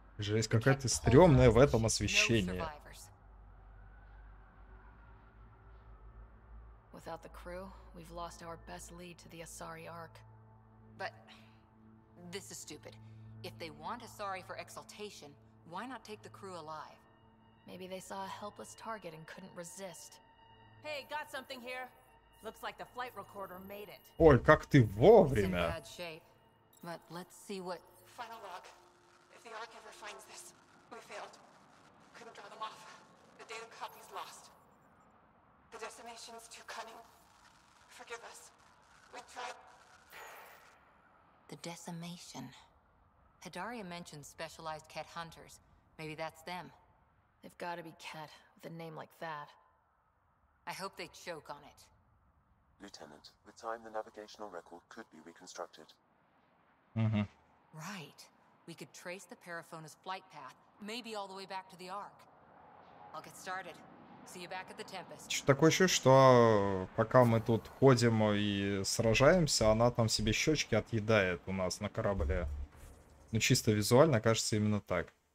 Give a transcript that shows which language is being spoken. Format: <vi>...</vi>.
<ru>Жесть, какая ты стрёмная в этом освещении.</ru> <en>Without the crew, we've lost our best lead to the Asari Ark. But this is stupid. If they want Asari for exaltation, why not take the crew alive? Maybe they saw a helpless target and couldn't resist. Hey, got something here. Looks like the flight recorder made it.</en> <ru>Ой, как ты вовремя.</ru> <en>It's in bad shape. But let's see what... Final log. If the Ark ever finds this, we failed. Couldn't draw them off. The data copy's lost. The decimation's too cunning. Forgive us. We tried... The decimation. Hedaria mentioned specialized Khet hunters. Maybe that's them. They've gotta be Khet, with a name like that. I hope they choke on it. Lieutenant, with time, the navigational record could be reconstructed. Mm-hmm. Right. We could trace the Parafona's flight path, maybe all the way back to the Ark. I'll get started. See you back at the Tempest.</en> <ru>Такое еще, что пока мы тут ходим и сражаемся, она там себе щечки отъедает у нас на корабле. Ну, чисто визуально, кажется, именно так.</ru>